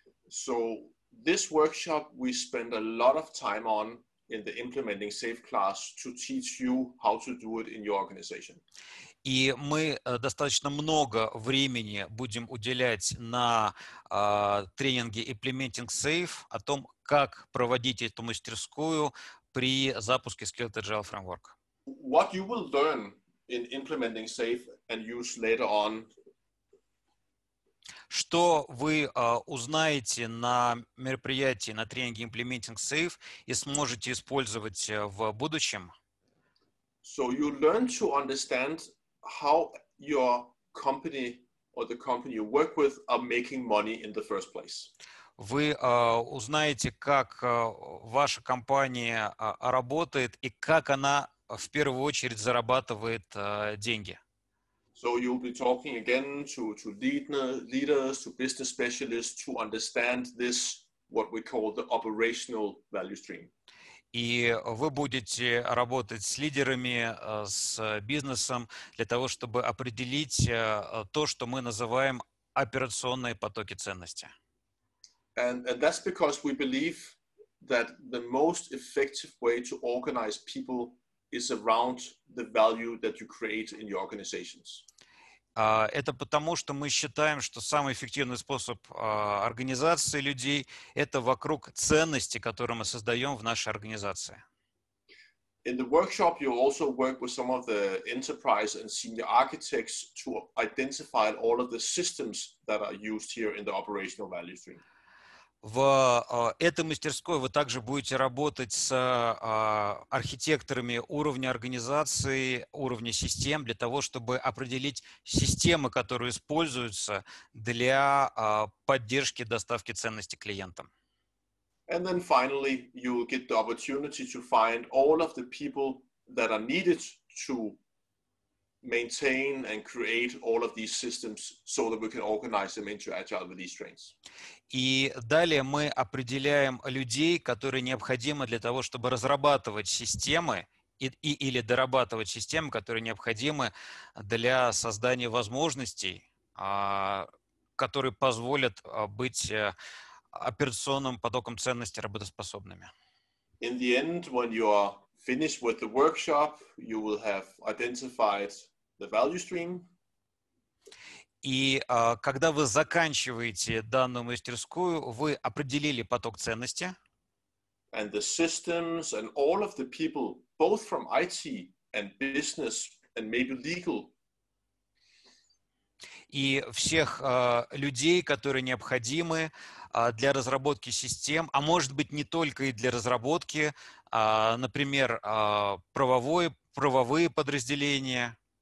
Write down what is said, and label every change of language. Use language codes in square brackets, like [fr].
[en] So this workshop we spend a lot of time on in the implementing safe class to teach you how to do it in your organization. [ru] И мы достаточно много времени будем уделять на тренинге Implementing Safe о том, как проводить эту мастерскую при запуске Skillet Agile Framework. [en] What you will learn in Implementing Safe and use later on. [ru] Что вы узнаете на мероприятии, на тренинге Implementing Safe и сможете использовать в будущем? [en] So you learn to understand how your company or the company you work with are making money in the first place. [ru] Вы узнаете, как ваша компания работает и как она в первую очередь зарабатывает деньги. [en] So you'll be talking again to leaders, to business specialists to understand this, what we call the operational value stream. [ru] И вы будете работать с лидерами, с бизнесом для того, чтобы определить то, что мы называем операционные потоки ценности. [en] And that's because we believe that the most effective way to organize people is around the value that you create in your organizations. [ru] Это потому, что мы считаем, что самый эффективный способ организации людей – это вокруг ценности, которые мы создаем в нашей организации. [en] In the workshop, you also work with some of the enterprise and senior architects to identify all of the systems that are used here in the operational value stream. [ru] В этой мастерской вы также будете работать с архитекторами уровня организации, уровня систем, для того, чтобы определить системы, которые используются для поддержки доставки ценности клиентам. [en] And then finally, you will get the opportunity to find all of the people that are needed to maintain and create all of these systems so that we can organize them into agile release trains. [ru] И далее мы определяем людей, которые необходимы для того, чтобы разрабатывать системы или дорабатывать системы, которые необходимы для создания возможностей, которые позволят быть операционным потоком ценности работоспособными. [en] In the end, when you are finished with the workshop, you will have identified the value stream. [ru] И когда вы заканчиваете данную мастерскую, вы определили поток ценности. [en] And the systems and all of the people, both from IT and business and maybe legal, [ru] и всех людей, которые необходимы для разработки систем, а может быть не только и для разработки, например, правовые подразделения.